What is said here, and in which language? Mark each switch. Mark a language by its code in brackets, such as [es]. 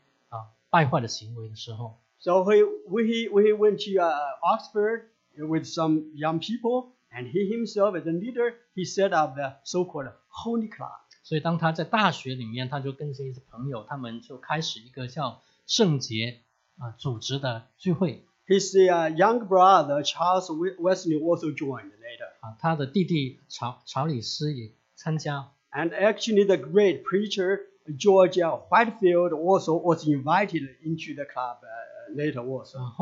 [zh] 但是当约翰卫斯理看见人外表的敬虔，但是却漠视外面的一些败坏的行为的时候， [en] So when he went to Oxford with some young people, and he himself as a leader, he set up the so-called Holy Club. [zh] 所以当他在大学里面，他就跟这些朋友，他们就开始一个叫圣洁组织的聚会。 [en] His young brother, Charles Wesley, also joined later. [zh] 他的弟弟查理斯也参加。 [en] And actually the great preacher, George Whitefield, also was invited into the club later also.